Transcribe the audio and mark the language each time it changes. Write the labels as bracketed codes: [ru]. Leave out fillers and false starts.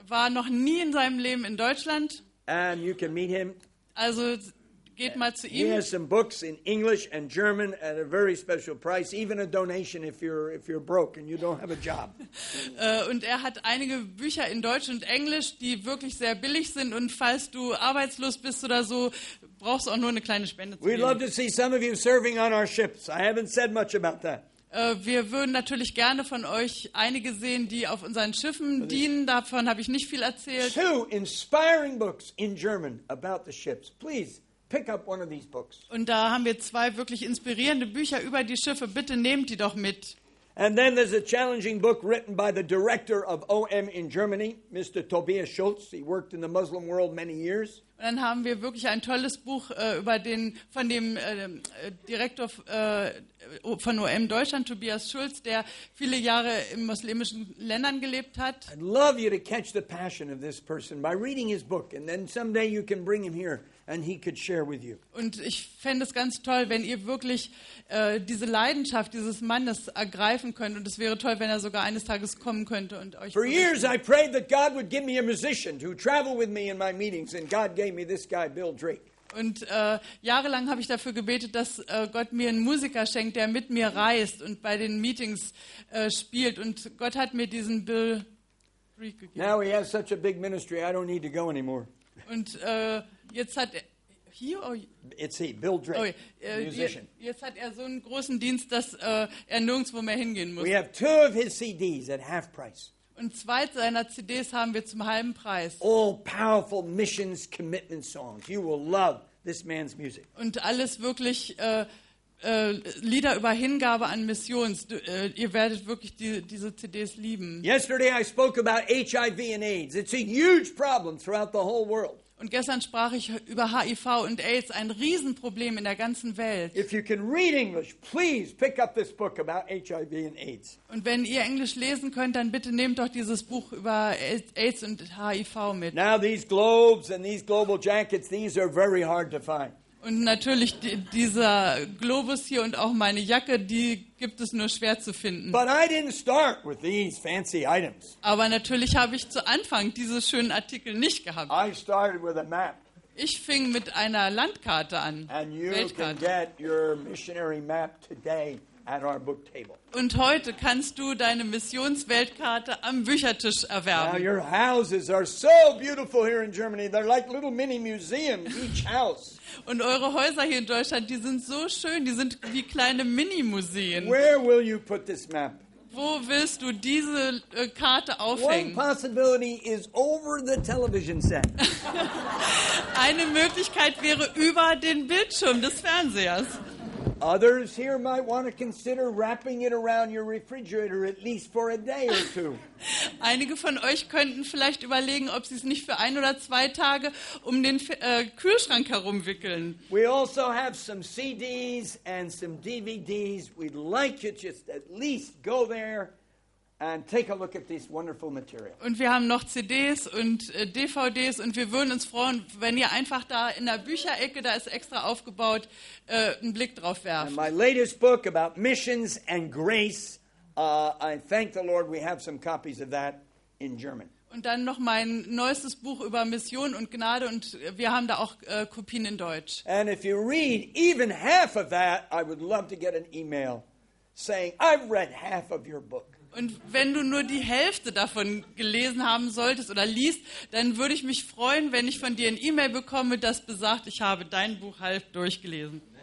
[de] War noch nie in seinem Leben in Deutschland. [en] And you can meet him. [de] Also geht mal zu ihm. [en] He has some books in English and German at a very special price, even a donation if you're broke and you don't have a job. [de] Und er hat einige Bücher in Deutsch und Englisch, die wirklich sehr billig sind, und falls du arbeitslos bist oder so, brauchst du auch nur eine kleine Spende zu geben. [en] We'd love to see some of you serving on our ships. I haven't said much about that. [de] Wir würden natürlich gerne von euch einige sehen, die auf unseren Schiffen dienen. Davon habe ich nicht viel erzählt. [en] Two inspiring books in German about the ships. Please pick up one of these books. [de] Und da haben wir zwei wirklich inspirierende Bücher über die Schiffe. Bitte nehmt die doch mit. [en] And then there's a challenging book written by the director of OM in Germany, Mr. Tobias Schulz. He worked in the Muslim world many years. [de] Und dann haben wir wirklich ein tolles Buch von OM Deutschland, Tobias Schulz, der viele Jahre in muslimischen Ländern gelebt hat. [en] I'd love you to catch the passion of this person by reading his book, and then someday you can bring him here. And he could share with you. [de] Und ich fände es ganz toll, wenn ihr wirklich diese Leidenschaft dieses Mannes ergreifen könnt. Und es wäre toll, wenn er sogar eines Tages kommen könnte und euch. [en] For years I prayed that God would give me a musician to travel with me in my meetings, and God gave me this guy, Bill Drake. [de] Und jahrelang habe ich dafür gebetet, dass Gott mir einen Musiker schenkt, der mit mir reist und bei den Meetings spielt. Und Gott hat mir diesen Bill Drake gegeben. [en] Now he has such a big ministry, I don't need to go anymore. [de] Und jetzt hat er [en] Bill Drake, okay, musician. [de] Jetzt hat er so einen großen Dienst, dass er nirgendwo mehr hingehen muss. [en] We have two of his CDs at half price. [de] Und zwei seiner CDs haben wir zum halben Preis. [en] All powerful missions commitment songs. You will love this man's music. [de] Und alles wirklich Lieder über Hingabe an Missions. Ihr werdet wirklich diese CDs lieben. [en] Yesterday I spoke about HIV and AIDS. It's a huge problem throughout the whole world. [de] Und gestern sprach ich über HIV und AIDS, ein Riesenproblem in der ganzen Welt. [en] If you can read English, please pick up this book about HIV and AIDS. [de] Und wenn ihr Englisch lesen könnt, dann bitte nehmt doch dieses Buch über AIDS und HIV mit. [en] Now these globes and these global jackets, these are very hard to find. [de] Und natürlich dieser Globus hier und auch meine Jacke, die gibt es nur schwer zu finden. [en] But I didn't start with these fancy items. [de] Aber natürlich habe ich zu Anfang diese schönen Artikel nicht gehabt. [en] I started with a map. [de] Ich fing mit einer Landkarte an, [en] and you [de] Weltkarte. [en] Can get your missionary map today at our book table. [de] Und heute kannst du deine Missionsweltkarte am Büchertisch erwerben. [en] Now your houses are so beautiful here in Germany. They're like little mini museums, each house. [de] Und eure Häuser hier in Deutschland, die sind so schön, die sind wie kleine Mini-Museen. [en] Where will you put this map? [de] Wo willst du diese Karte aufhängen? [en] One possibility is over the television set. [de] Eine Möglichkeit wäre über den Bildschirm des Fernsehers. [en] Others here might want to consider wrapping it around your refrigerator at least for a day or two. [de] Einige von euch könnten vielleicht überlegen, ob sie es nicht für ein oder zwei Tage um den Kühlschrank herumwickeln. [en] We also have some CDs and some DVDs. We'd like you just at least go there and take a look at this wonderful material. [de] Und wir haben noch CDs und DVDs und wir würden uns freuen, wenn ihr einfach da in der Bücherecke, da ist extra aufgebaut, einen Blick drauf werft. [en] My latest book about missions and grace, I thank the Lord we have some copies of that in German. [de] Und dann noch mein neuestes Buch über Mission und Gnade und wir haben da auch Kopien in Deutsch. [en] And if you read even half of that, I would love to get an email saying I've read half of your book. [de] Und wenn du nur die Hälfte davon gelesen haben solltest oder liest, dann würde ich mich freuen, wenn ich von dir ein E-Mail bekomme, das besagt, ich habe dein Buch halb durchgelesen.